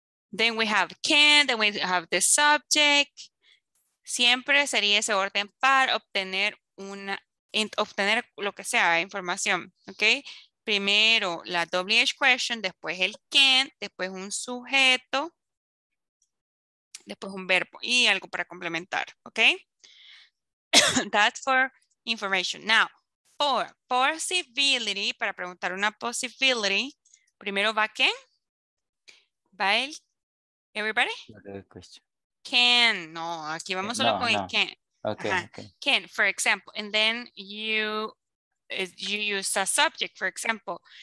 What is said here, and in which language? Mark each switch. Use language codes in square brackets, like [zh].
[en] Then we have can, then we have the subject. [es] Siempre sería ese orden para obtener una, obtener lo que sea, información, okay? Primero la WH question, después el can, después un sujeto, después un verbo y algo para complementar, okay? [en] That's for information. Now, for possibility, [es] para preguntar una possibility, primero va quién? Va el, everybody? Can, no, aquí vamos solo con el can. [en] Okay, okay. Can, for example, and then you use a subject, for example.